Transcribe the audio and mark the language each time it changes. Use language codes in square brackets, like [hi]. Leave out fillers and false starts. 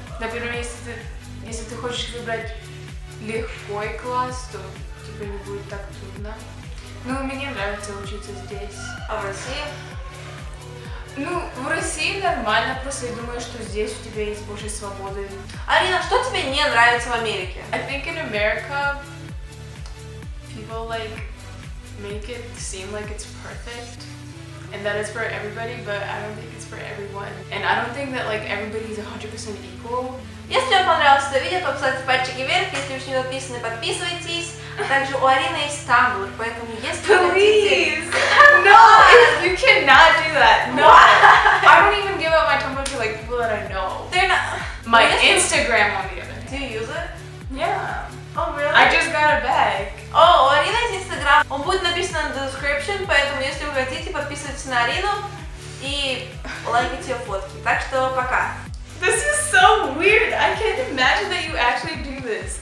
[ru] Например, если ты хочешь выбрать легкой класс, то тебе не будет так трудно. Ну, мне нравится учиться здесь. А в России? Ну, в России нормально, просто я думаю, что здесь у тебя есть больше свободы. Арина, что тебе не нравится в Америке? [en] I think in America, people like make it seem like it's perfect, and that it's for everybody, but I don't think it's for everyone. And I don't think that like everybody's 100% equal. [ru] Если вам понравилось это видео, то поставьте пальчики вверх, если еще не подписаны, подписывайтесь. Также у Арины есть Tumblr, поэтому если [en] Please! No! You cannot do that! No! What? I don't even give out my Tumblr to like people that I know. They're not... My Instagram on the other. Do you use it? Yeah. Oh, really? I just got it back. [ru] Oh, у Арины есть Instagram. Он будет написан в description, поэтому если вы хотите, подписывайтесь на Арину и лайкайте ее фотки. Так что пока! [en] This is so weird! I can't imagine that you actually do this.